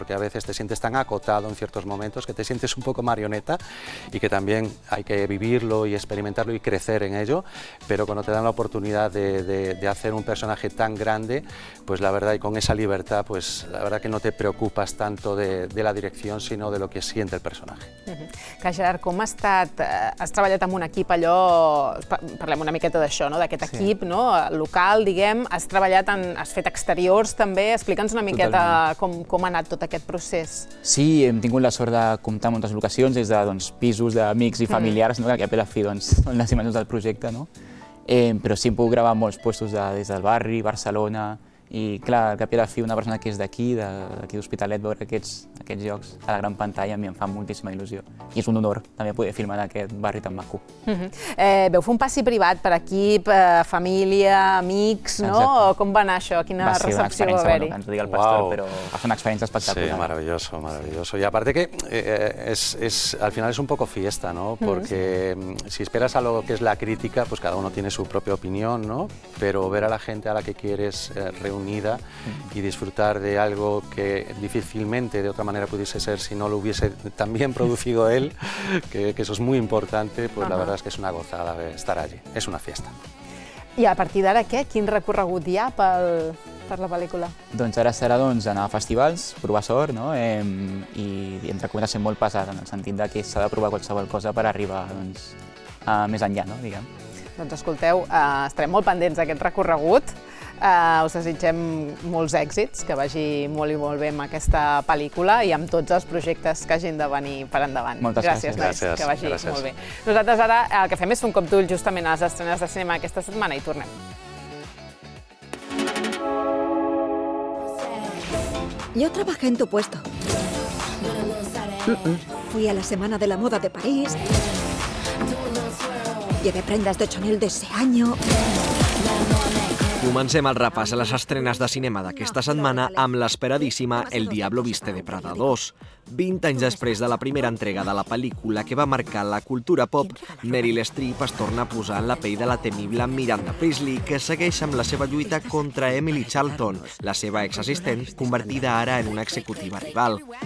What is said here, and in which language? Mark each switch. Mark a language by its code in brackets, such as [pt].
[es] Porque a veces te sientes tan acotado en ciertos momentos que te sientes un poco marioneta y que también hay que vivirlo y experimentarlo y crecer en ello, pero cuando te dan la oportunidad de hacer un personaje tan grande, pues la verdad, y con esa libertad, pues la verdad que no te preocupas tanto de la dirección, sino de lo que siente el personaje. [ca] Gerard, ¿cómo has treballat amb un equip allò, parlem una miqueta d'això, no? D'aquest equip, no? Local, diguem, has fet exteriors també, explica'ns una miqueta com ha anat tot aquest procés. Sí, hem tingut la sort de comptar amb moltes locacions, des de doncs, pisos d'amics i familiars, no? Que a la fi doncs, són les imatges del projecte, no? Però sí, hem pogut gravar molts llocs des del barri, Barcelona, i clar, al cap i a la fi una persona que és d'aquí d'Hospitalet, veure aquests jocs a la gran pantalla a mi em fa moltíssima il·lusió. I és un honor també poder filmar en aquest barri tan maco. Veu fer un passi privat per equip, família, amics, no? Com va anar això? Quina recepció va haver-hi? Va ser una experiència, bueno, que ens ho digui el Pastor, però va ser una experiència espectacular. [es] Sí, maravilloso, maravilloso. [ca] I a part que al final és [es] un poco fiesta, [ca] no? [es] Porque si esperas a lo que es la crítica, pues cada uno tiene su propia opinión, no? Pero ver a la gente a la que quieres reunida y disfrutar de algo que difícilmente de otra manera pudiese ser si no lo hubiese también producido él, que eso es muy importante, pues la verdad es que es una gozada estar allí, es una fiesta. [ca] I a partir d'ara què? Quin recorregut hi ha per la pel·lícula? Doncs ara serà anar a festivals, provar sort, no? I entre comença a ser molt pesat en el sentit que s'ha de provar qualsevol cosa per arribar més enllà, no? Doncs escolteu, estarem molt pendents d'aquest recorregut. Us desitgem molts èxits, que vagi molt i molt bé amb aquesta pel·lícula i amb tots els projectes que hagin de venir per endavant. Moltes gràcies. Que vagi molt bé. Nosaltres ara el que fem és fer un cop d'ull justament a les estrenes de cinema aquesta setmana i tornem. [es] Yo trabajé en tu puesto. Fui a la Semana de la Moda de París. Llevé prendas de Chanel de ese año. [ca] Comencem el repàs a les estrenes de cinema d'aquesta setmana amb l'esperadíssima El Diablo Viste de Prada 2. 20 anys després de la primera entrega de la pel·lícula que va marcar la cultura pop, Meryl Streep es torna a posar en la pell de la temible Miranda Priestly, que segueix amb la seva lluita contra Emily Charlton, la seva exassistent, convertida ara en una executiva rival.